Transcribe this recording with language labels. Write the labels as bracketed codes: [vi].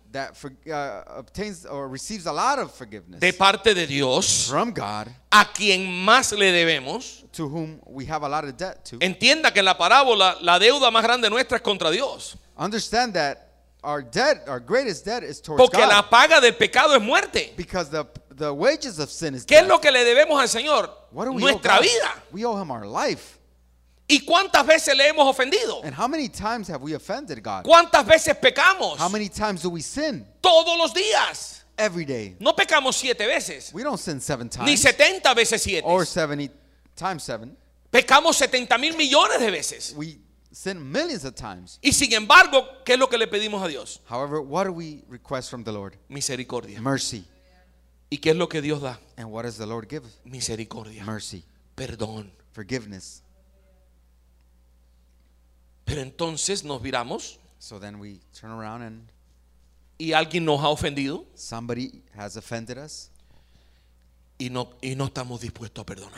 [en] That obtains or receives a lot of forgiveness [es] de parte de Dios, [en] from God, [es] a quien más le debemos, [en] to whom we have a lot of debt to. [es] Entienda que en la parábola la deuda más grande nuestra es contra Dios. [en] Understand that our debt, our greatest debt, is towards [es] porque [en] God. [es] La paga del pecado es muerte. [en] Because the wages of sin is [es] ¿qué [en] death. [es] Es lo que le debemos al Señor? [en] What do we [es] nuestra [en] owe God? [es] Vida. [en] We owe him our life. [es] ¿Y cuántas veces le hemos ofendido? [en] And how many times have we offended God? [es] ¿Cuántas veces pecamos? [en] How many times do we sin? [es] Todos los días. [en] Every day. [es] No pecamos 7 veces. [en] We don't sin 7 times. [es] Ni 70 veces 7. [en] Or 70 times 7. [es] Pecamos 70 mil millones de veces. [en] We sin millions of times. [es] Y sin embargo, ¿qué es lo que le pedimos a Dios? [en] However, what do we request from the Lord? [es] Misericordia. [en] Mercy. [es] ¿Y qué es lo que Dios da? [en] And what does the Lord give? [es] Misericordia. [en] Mercy. [es] Perdón. [en] Forgiveness. [es] Pero entonces nos viramos. [en] So then we turn around and [es] y alguien nos ha ofendido. [en] Somebody has offended us. [es] Y no estamos dispuestos a perdonar.